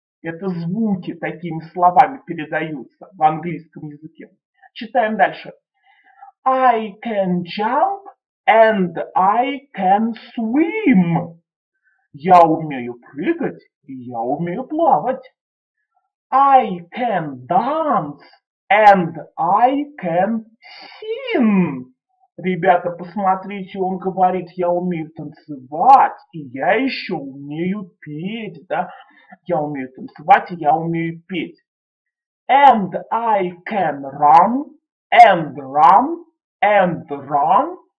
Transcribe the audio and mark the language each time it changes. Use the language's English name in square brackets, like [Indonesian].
[Russian] Это звуки такими словами передаются в английском языке. Читаем дальше. [English] I can jump. And I can swim. [Russian] Я умею прыгать, и я умею плавать. [English] I can dance, and I can sing. [Russian] Ребята, посмотрите, он говорит, я умею танцевать, и я еще умею петь, да? Я умею танцевать, и я умею петь. [English] And I can run, and run, and run.